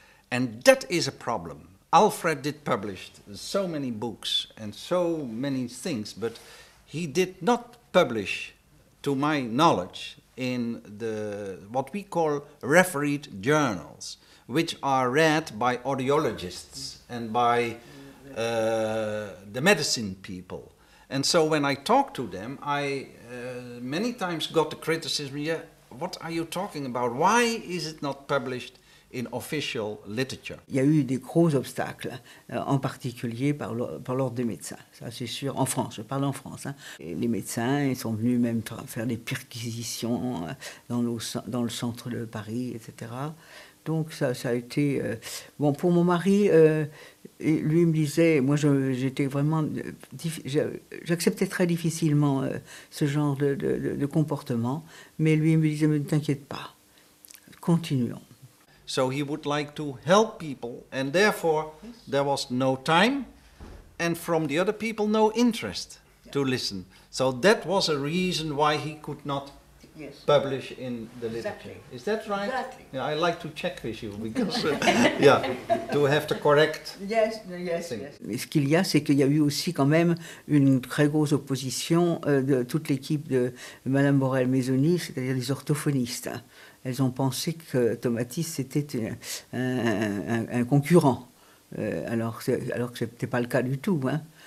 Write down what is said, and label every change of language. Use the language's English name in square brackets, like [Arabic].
[English] And that is a problem. Alfred did publish so many books and so many things, but he did not publish, to my knowledge, in the what we call refereed journals, which are read by audiologists and by the medicine people. And so when I talked to them, I many times got the criticism, yeah, what are you talking about? Why is it not published in official literature? [French] Il y a eu des gros obstacles, en particulier par l'ordre des médecins. Ça, c'est sûr, en France, je parle en France. Hein. Les médecins, ils sont venus même faire des perquisitions dans le centre de Paris, etc. Donc ça a été... Bon, pour mon mari... Et lui me disait, moi j'étais vraiment, j'acceptais très difficilement ce genre de comportement, mais lui me disait, mais ne t'inquiète pas, continuons. [English] So he would like to help people, and therefore yes. There was no time, and from the other people no interest yeah. To listen. So that was a reason why he could not yes. Publish in the literature. Exactly. Is that right? Exactly. Yeah, I like to check with you because yeah, to have to correct. Yes, yes, things. Yes. [French] Mais ce qu'il y a, c'est qu'il y a eu aussi quand même une très grosse opposition de toute l'équipe de Madame Borel-Maisoni, c'est-à-dire des orthophonistes. Elles ont pensé que Tomatis c'était un concurrent, alors que c'était pas le cas du tout, hein.